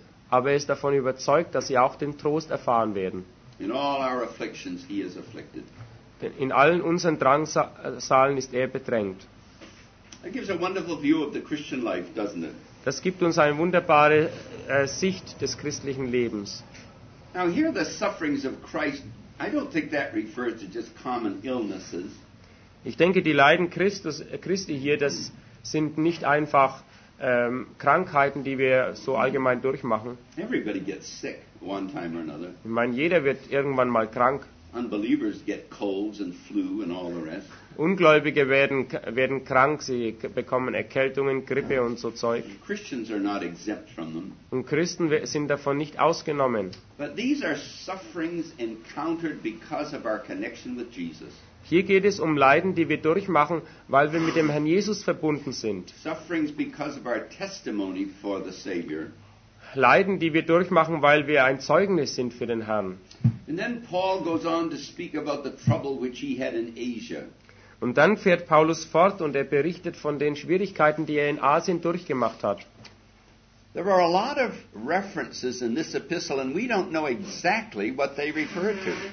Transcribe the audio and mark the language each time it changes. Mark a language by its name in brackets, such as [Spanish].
[German] Aber er ist davon überzeugt, dass sie auch den Trost erfahren werden. In allen unseren Drangsalen ist er bedrängt. Das gibt eine wunderbare [English] View of the Christian life, doesn't it? [German] Das gibt uns eine wunderbare Sicht des christlichen Lebens. [English] Now here the sufferings of Christ, I don't think that refers to just common illnesses. [German] Ich denke, die Leiden Christi hier, das sind nicht einfach Krankheiten, die wir so allgemein durchmachen. [English] Everybody gets sick one time or another. [German] Ich meine, jeder wird irgendwann mal krank. [English] Unbelievers get colds and flu and all the rest. [German] Ungläubige werden krank, sie bekommen Erkältungen, Grippe und so Zeug. [English] Christians are not exempt from them. [German] Und Christen sind davon nicht ausgenommen. [English] But these are sufferings encountered because of our connection with Jesus. [German] Hier geht es um Leiden, die wir durchmachen, weil wir mit dem Herrn Jesus verbunden sind. [English] Sufferings because of our testimony for the Savior. [German] Leiden, die wir durchmachen, weil wir ein Zeugnis sind für den Herrn. [English] And then Paul goes on to speak about the trouble which he had in Asia. [German] Und dann fährt Paulus fort und er berichtet von den Schwierigkeiten, die er in Asien durchgemacht hat. [English] There are a lot of references in this epistle and we don't know exactly what they refer to.